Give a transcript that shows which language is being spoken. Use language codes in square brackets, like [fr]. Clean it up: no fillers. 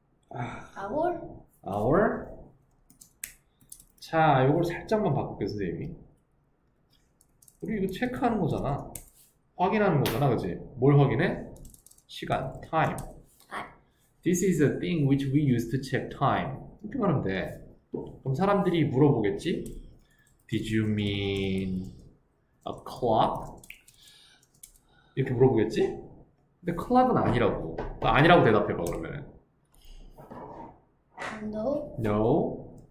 [en] 아 hour hour [ko] 자, 요걸 살짝만 바꿀게, 선생님이. 우리 이거 체크하는 거잖아. 확인하는 거잖아, 그치? 뭘 확인해? 시간, [en] time. This is a thing which we use to check time. [ko] 이렇게 말하면 돼. 그럼 사람들이 물어보겠지? [en] Did you mean a clock? [ko] 이렇게 물어보겠지? 근데 clock은 아니라고. 아니라고 대답해봐, 그러면은. [en] No. No.